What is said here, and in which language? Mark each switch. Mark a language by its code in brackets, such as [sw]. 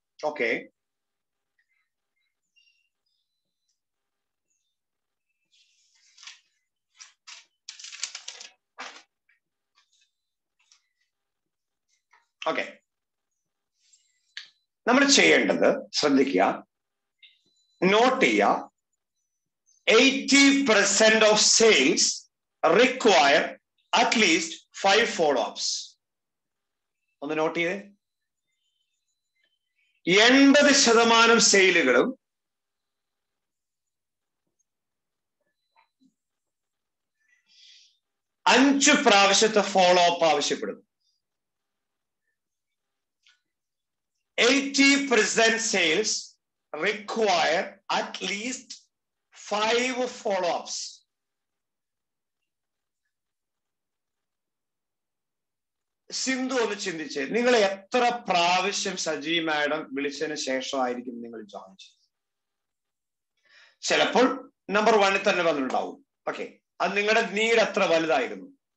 [ml] Okay, okay, നമ്മൾ ചെയ്യേണ്ടത് ശ്രദ്ധിക്കുക, നോട്ട് ചെയ്യുക. [en] 80% of sales require at least 5 follow-ups. [ml] ഒന്ന് നോട്ട് ചെയ്തേ. 80% സെയിലുകളും അഞ്ചു പ്രാവശ്യത്തെ ഫോളോ അപ്പ് ആവശ്യപ്പെടുന്നു. [en] 80% sales require at least 5 follow-ups. [ml] Sindhu ഒന്ന് ചിന്തിച്ച്, നിങ്ങൾ എത്ര പ്രാവശ്യം സജി മാഡം വിളിച്ചതിന് ശേഷമായിരിക്കും നിങ്ങൾ ജോയിൻ ചെയ്തത്? ചിലപ്പോൾ നമ്പർ 1 തന്നെ വന്നിട്ടുണ്ടാവും. ഓക്കെ, അത് നിങ്ങളുടെ നീഡ് എത്ര വലുതായിരുന്നു.